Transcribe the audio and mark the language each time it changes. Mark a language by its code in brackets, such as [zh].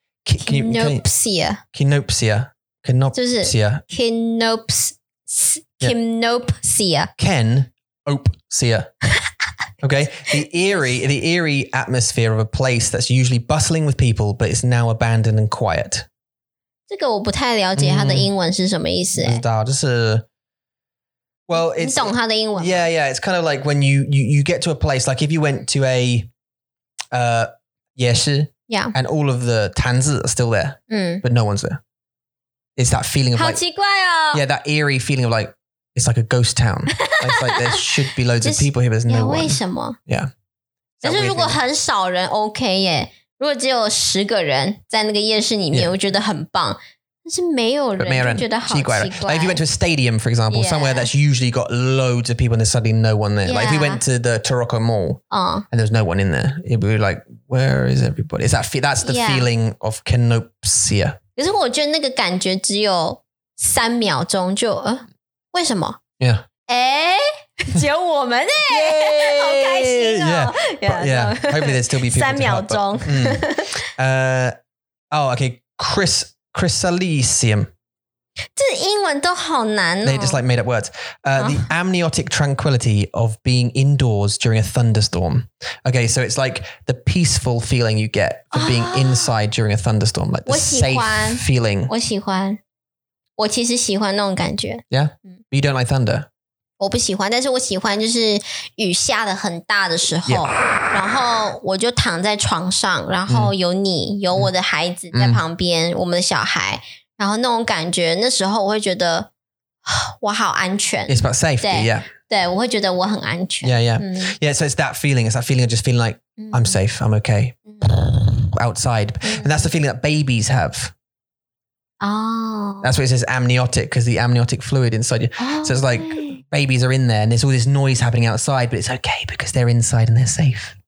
[en] Kinopsia. Kinopsia. Kinopsia. Kinopsia. Kenopsia. Okay, the eerie atmosphere of a place that's usually bustling with people, but it's now abandoned and quiet. [zh] 这个我不太了解它的英文是什么意思。不知道，就是 [en] well, it's [zh] 你懂它的英文吗? [en] Yeah, yeah. It's kind of like when you get to a place, like if you went to a 夜市, yeah, and all of the 摊子 are still there, but no one's there. It's that feeling of [zh] 好奇怪哦! [en] Like, yeah, that eerie feeling of like. It's like a ghost town. It's like there should be loads of people here, but there's no one. [zh] 为什么? [en] Yeah. [zh] 但是如果很少人, OK耶, 如果只有10个人在那个夜市里面, 我觉得很棒, 但是没有人, 觉得好奇怪。 [en] Like if you went to a stadium, for example, somewhere that's usually got loads of people and there's suddenly no one there. Like if you went to the Taroko Mall and there's no one in there, it'd be like, where is everybody? Is that that's the feeling of kenopsia. [zh] 可是我觉得那个感觉只有3秒钟就... 为什么? [en] Yeah. [zh] 诶? 只有我们耶、欸、好开心哦 [en] yeah. But, yeah. Hopefully there'll still be people [zh] 三秒钟 [en] Oh okay Chrysalisium [zh] 这英文都好难哦 [en] They just like made up words、The amniotic tranquility of being indoors during a thunderstorm Okay so it's like the peaceful feeling you get For being、oh, inside during a thunderstorm Like the safe feeling [zh] 我喜欢我其实喜欢那种感觉 [en] Yeah But you don't like thunder [zh] 我不喜欢但是我喜欢就是雨下得很大的时候、yeah. 然后我就躺在床上然后有你、mm. 有我的孩子在旁边、mm. 我们的小孩然后那种感觉那时候我会觉得我好安全 [en] It's about safety, [zh] 对 [en] yeah [zh] 对我会觉得我很安全 [en] Yeah, yeah、mm. Yeah, so it's that feeling It's that feeling of just feeling like、mm. I'm safe, I'm okay、mm. Outside、mm. And that's the feeling that babies have Oh That's what it says amniotic Because the amniotic fluid inside you、oh. So it's likeBabies are in there and there's all this noise happening outside, but it's okay because they're inside and they're safe.